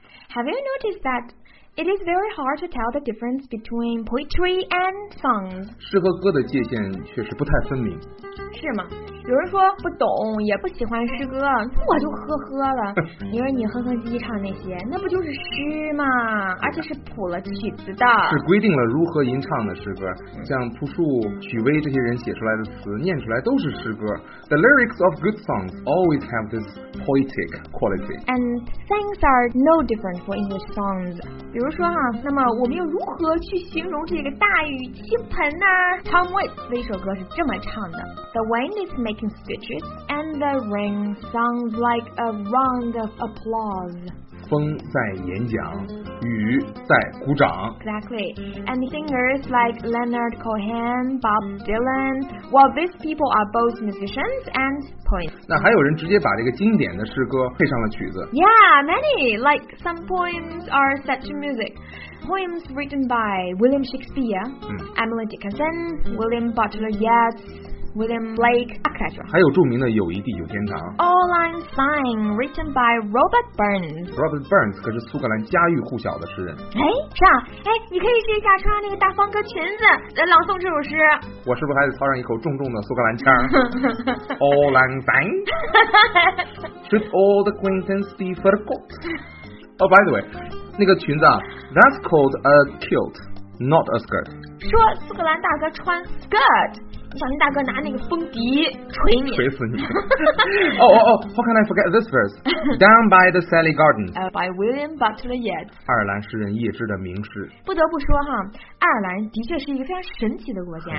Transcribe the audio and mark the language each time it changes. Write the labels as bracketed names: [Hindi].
[English] Have you noticed that it is very hard to tell the difference between poetry and songs? [Chinese] 诗和歌的界限确实不太分明。是吗？有人说不懂，也不喜欢诗歌，我就呵呵了。你说你哼哼唧唧唱那些，那不就是诗吗？而且是谱了曲子的，是规定了如何吟唱的诗歌。像朴树、许巍这些人写出来的词，念出来都是诗歌。 [English] The lyrics of good songs always have this poetic quality. And things are no different for English songs. [Chinese] 比如说哈、啊，那么我们又如何去形容这个大雨倾盆呢、啊、？Tom Waits 的一首歌是这么唱的 ： [English] The wind is making speeches, and the rain sounds like a round of applause. [Chinese] 风在演讲，雨在鼓掌。 [English] Exactly. And singers like Leonard Cohen, Bob Dylan, well, these people are both musicians and poets. [Chinese] 那还有人直接把这个经典的诗歌配上了曲子。 [English] Yeah, many. Like some poems are set to music. Poems written by William Shakespeare,、Emily Dickinson, William Butler Yeats, William Blake, etc. [Chinese] 还有著名的《友谊地久天长》。 [English] All I'm Fine, written by Robert Burns. [Chinese] Robert Burns 可是苏格兰家喻户晓的诗人。哎，是啊，哎，你可以试一下穿那个大方格裙子来朗诵这首诗。我是不是还得操上一口重重的苏格兰腔？All I'm Fine. [English] Should all the acquaintance be forgot? Oh, by the way. [Chinese] 那个裙子啊 [English] That's called a kilt Not a skirt [Chinese] 说苏格兰大哥穿 skirt 小林大哥拿那个风笛捶你捶死你 [English] Oh oh oh How can I forget this verse Down by the Sally Garden、 By William Butler Yeats [Chinese] 爱尔兰诗人叶芝的名诗不得不说哈爱尔兰的确是一个非常神奇的国家